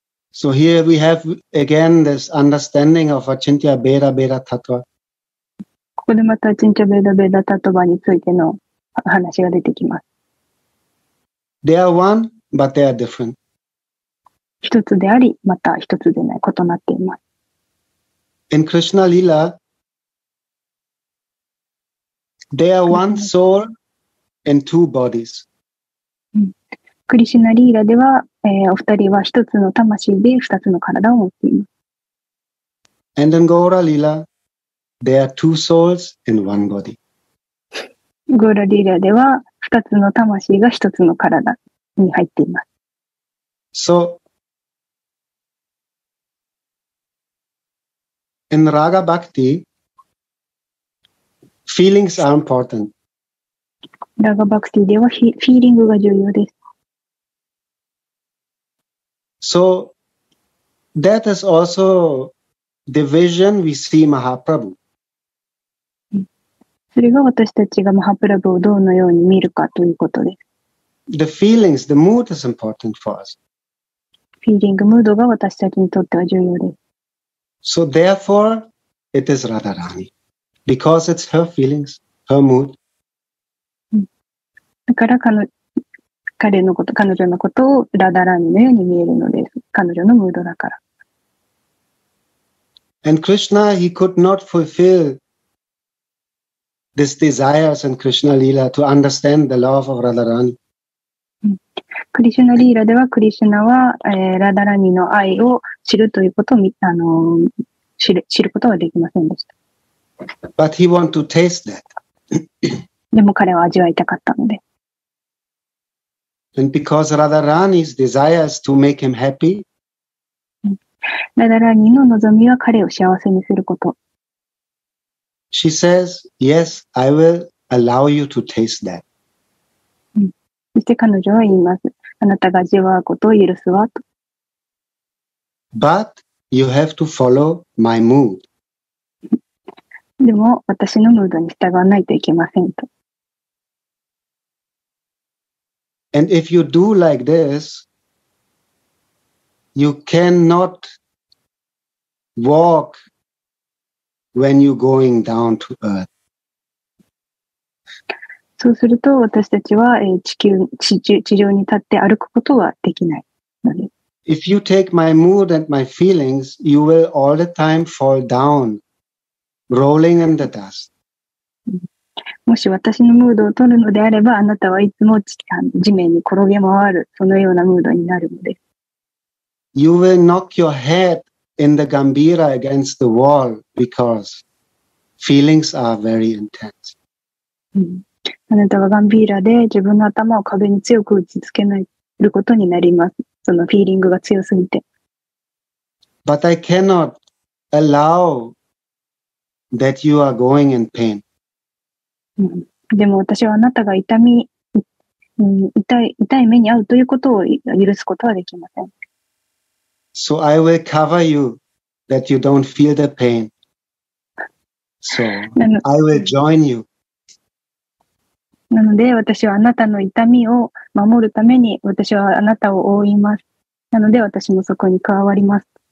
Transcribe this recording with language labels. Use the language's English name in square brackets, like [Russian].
[English] So here we have again this understanding of Achintya Bheda Bheda Tattva. [Japanese] ここでまたアチンチャベダベダタトバについての話が出てきます。 [English] They are one, but they are different. [Japanese] 一つであり、また一つでない、異なっています。 [English] In Krishna Lila, they are one soul and two bodies. [Japanese] クリシナリーラでは、お二人は一つの魂で二つの体を持っています。 [English] And in Gaura Lila,There are two souls in one body. [Japanese] ゴーラリーラでは二つの魂が一つの体に入っています。 [English] So, in Raga Bhakti, feelings are important. [Japanese] Raga Bhakti ではフィーリングが重要です。 [English] So, that is also the vision we see Mahaprabhu. [Japanese] それが私たちがマハプラブをどのように見るかということです。 [English] The feelings, the mood is important for us. [Japanese] フィーリング、ムードが私たちにとっては重要です。 [English] So therefore, it is Radharani. Because it's her feelings, her mood. [Japanese] だから彼女のことをラダラーニのように見えるのです。彼女のムードだから。 [English] And Krishna, he could not fulfillThis desires in Krishna Lila to understand the love of Radharani. [Japanese] Krishna Lila では Krishna は Radharani の愛を知るということを知ることはできませんでした。 [English] But he wants to taste that. [Japanese] でも彼は味わいたかったので。 [English] And because Radharani's desires to make him happy. [Japanese] Radharani の望みは彼を幸せにすること。 [English] She says, "Yes, I will allow you to taste that." [Japanese] そして彼女は言います。あなたが味わうことを許すわと。 [English] But you have to follow my mood. [Japanese] でも私のムードに従わないといけませんと。 [English] And if you do like this, you cannot walk. When you going down to earth. [Japanese] そうすると私たちは地上に立って歩くことはできないので。 [English] If you take my mood and my feelings, you will all the time fall down, rolling in the dust. [Japanese] もし私のムードを取るのであれば、あなたはいつも地面に転げ回る、そのようなムードになるのです。 [English] You will knock your head. In the Gambira against the wall because feelings are very intense. [Japanese] あなたはガンビーラで自分の頭を壁に強く打ちつけないことになります。そのフィーリングが強すぎて。 [English] But I cannot allow that you are going in pain. [Japanese] でも私はあなたが痛い目に遭うということを許すことはできません。 [English] So I will cover you that you don't feel the pain. So I will join you. [Japanese] なので私はあなたの痛みを守るために私はあなたを覆います。なので私もそこに加わります。